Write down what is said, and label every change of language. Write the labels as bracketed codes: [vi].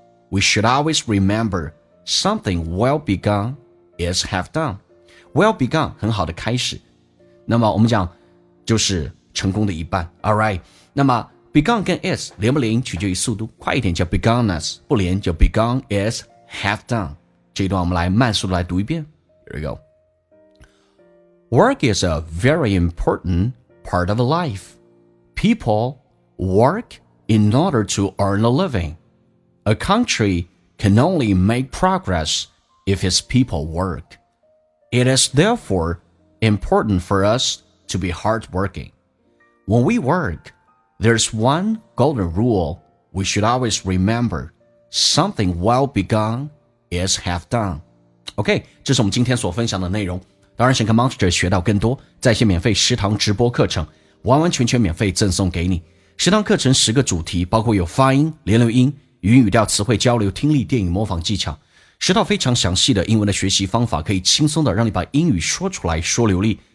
[en] We should always remember something well begun is half done. Well begun [zh] 很好的开始。那么我们讲就是成功的一半。 [en] All right. [zh] 那么 begun 跟 is 连不连取决于速度，快一点叫 beginness， 不连就 [en] begun is half done。 [zh] 这一段我们来慢速来读一遍。 [en] Here we go. Work is a very important part of life. People work in order to earn a living. A country can only make progress if its people work. It is therefore important for us to be hardworking. When we work, there's one golden rule we should always remember. Something well begun. Is half done. [zh] OK, 这是我们今天所分享的内容。当然想跟 Monster 学到更多，在线免费食堂直播课程完完全全免费赠送给你。食堂课程十个主题，包括有发音、连留音、语音语调、词汇交流、听力、电影模仿技巧，十套非常详细的英文的学习方法，可以轻松的让你把英语说出来说流利。